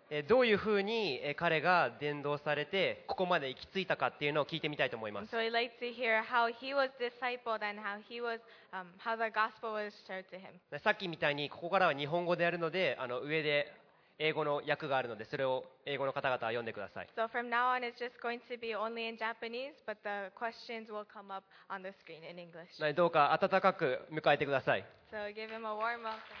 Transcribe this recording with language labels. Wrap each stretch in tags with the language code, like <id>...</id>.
<ja>どういうふうに彼が伝道されてここまで行き着いたかっていうのを聞いてみたいと思います。</ja> <en>So we'd like to hear how he was discipled and how he was, how the gospel was shared to him.</en> <ja>さっきみたいにここからは日本語であるので、上で英語の訳があるので、それを英語の方々は読んでください。</ja> <en>So from now on, it's just going to be only in Japanese, but the questions will come up on the screen in English.</en> <ja>どうか温かく迎えてください。</ja> <en>So give him a warm welcome.</en>